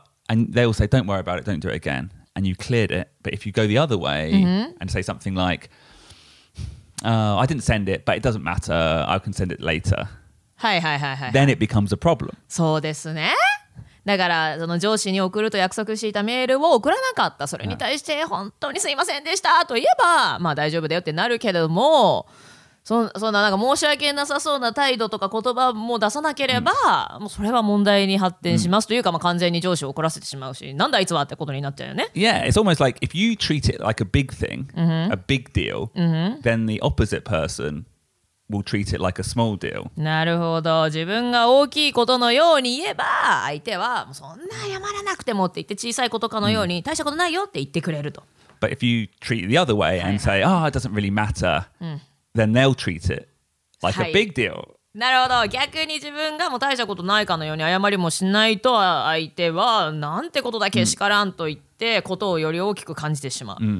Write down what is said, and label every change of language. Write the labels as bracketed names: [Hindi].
[English] And they will say, don't worry about it. Don't do it again. And you cleared it. But if you go the other way and say something like, I didn't send it, but it doesn't matter. I can send it later. [Japanese] はいはいはいはい、 [English] Then it becomes a problem. [Japanese] そうですね。だからその上司に送ると約束していたメールを送らなかった。それに対して本当にすいませんでしたと言えば、まあ大丈夫だよってなるけれども、そんななんか申し訳なさそうな態度とか言葉も出さなければ、もうそれは問題に発展しますというか、まあ完全に上司を怒らせてしまうし、なんだあいつはってことになっちゃうよね。 [English] Yeah, it's almost like if you treat it like a big thing, a big deal, then the opposite person. We'll treat it like a small deal. [Japanese] なるほど。自分が大きいことのように言えば、相手はそんな謝らなくてもって言って小さいことかのように大したことないよって言ってくれると。 [English] But if you treat it the other way and say, oh, it doesn't really matter, then they'll treat it like a big deal. [Japanese] なるほど。逆に自分がもう大したことないかのように謝りもしないと、相手はなんてことだけしからんと言ってことをより大きく感じてしまう。